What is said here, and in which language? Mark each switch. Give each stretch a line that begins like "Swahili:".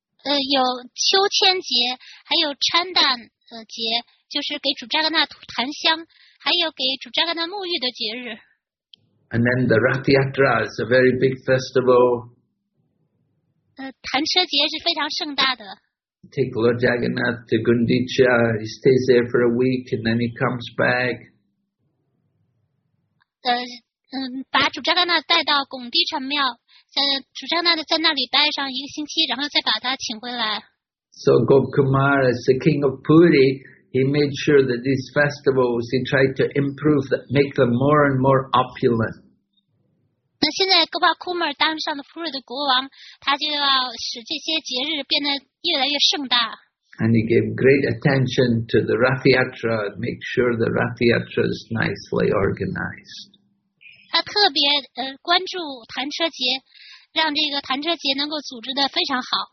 Chinese: 有秋千节，还有 Chandan 节，就是给主扎格纳檀香，还有给主扎格纳沐浴的节日。
English: And then the Rath Yatra is a very big festival.
Chinese: 弹车节是非常盛大的。
English: Take Lord Jagannath to Gundicha. He stays there for a week, and then he comes back.
Chinese: 把主扎格纳带到拱地禅庙，主扎格纳在那里待上一个星期，然后再把他请回来。
English: So Gop Kumar, as the king of Puri, he made sure that these festivals, he tried to improve, make them more and more opulent.
Chinese: 那现在 Gop Kumar 当上了 Puri 的国王，他就要使这些节日变得越来越盛大。
English: And he gave great attention to the Rath Yatra, make sure the Rath Yatra is nicely organized.
Chinese: 他特别关注弹车节，让这个弹车节能够组织的非常好。